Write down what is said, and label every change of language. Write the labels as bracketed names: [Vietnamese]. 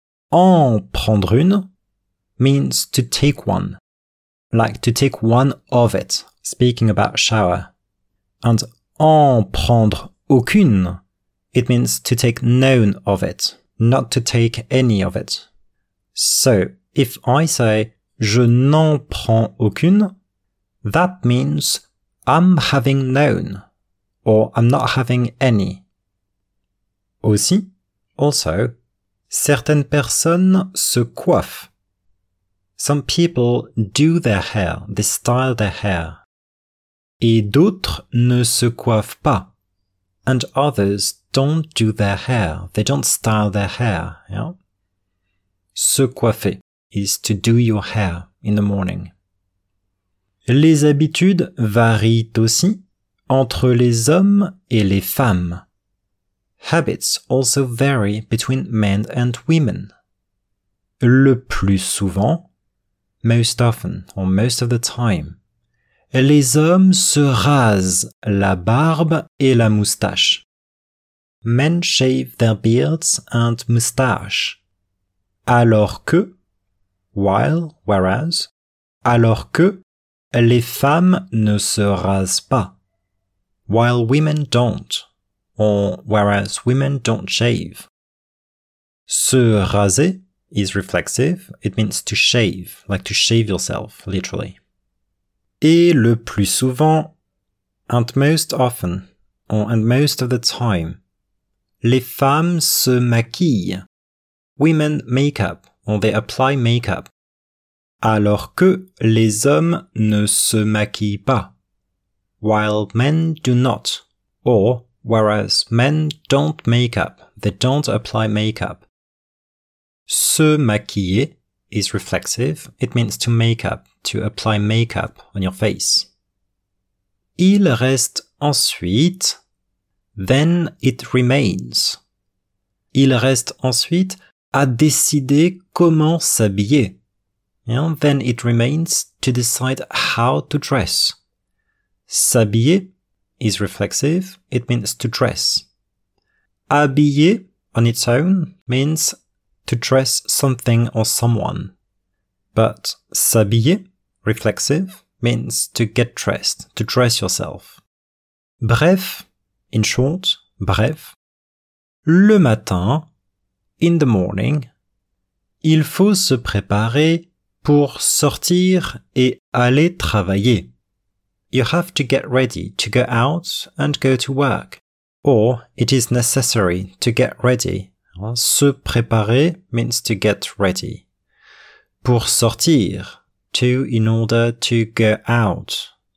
[French] En prendre une [English] means to take one. Like to take one of it, speaking about shower. And [French] en prendre aucune, [English] it means to take none of it, not to take any of it. So, if I say [French] je n'en prends aucune, [English] that means I'm having none, or I'm not having any. [French] Aussi, [English] also, [French] certaines personnes se coiffent. [English] Some people do their hair, they style their hair. [French] Et d'autres ne se coiffent pas. [English] And others don't do their hair, they don't style their hair, yeah? [French] Se coiffer [English] is to do your hair in the morning. [French] Les habitudes varient aussi entre les hommes et les femmes. [English] Habits also vary between men and women. [French] Le plus souvent, [English] most often, or most of the time, [French] les hommes se rasent la barbe et la moustache. [English] Men shave their beards and moustache. [French] Alors que, [English] while, whereas, [French] alors que, les femmes ne se rasent pas. [English] While women don't, or whereas women don't shave. [French] Se raser [English] is reflexive, it means to shave, like to shave yourself, literally. [French] Et le plus souvent, [English] and most often, or and most of the time, [French] les femmes se maquillent. [English] Women make up, or they apply makeup. [French] Alors que les hommes ne se maquillent pas. [English] While men do not, or whereas men don't make up, they don't apply makeup. [French] Se maquiller [English] is reflexive, it means to make up, to apply makeup on your face. [French] Il reste ensuite, [English] then it remains. [French] Il reste ensuite à décider comment s'habiller. [English] And then it remains to decide how to dress. S'habiller is reflexive, it means to dress. Habiller on its own means to dress something or someone. But s'habiller, reflexive, means to get dressed, to dress yourself. [French] Bref, [English] in short, [French] bref. Le matin, [English] in the morning, [French] il faut se préparer pour sortir et aller travailler. [English] You have to get ready to go out and go to work. Or it is necessary to get ready. [French] Se préparer [English] means to get ready. [French] Pour sortir, [English] to in order to go out.